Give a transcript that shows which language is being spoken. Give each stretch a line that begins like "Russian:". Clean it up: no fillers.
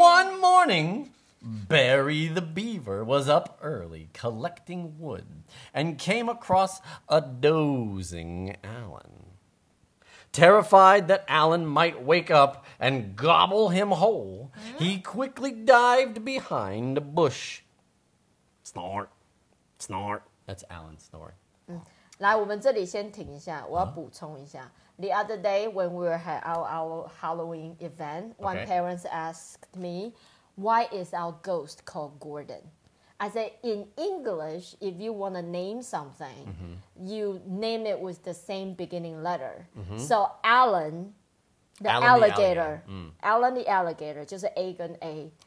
English: One morning, Barry the Beaver was up early collecting wood and came across a dozing Alan. Terrified that Alan might wake up and gobble him whole, he quickly dived behind a bush. Snort, snort. That's Alan snoring.
Chinese: 来，我们这里先停一下，我要补充一下。
English: The other day when we had our Halloween event, one parent asked me, why is our ghost called Gordon? I said, in English, if you want to name something, you name it with the same beginning letter. So Alan, the Alan alligator, Alan the alligator,
Chinese: 就是 A 跟 A.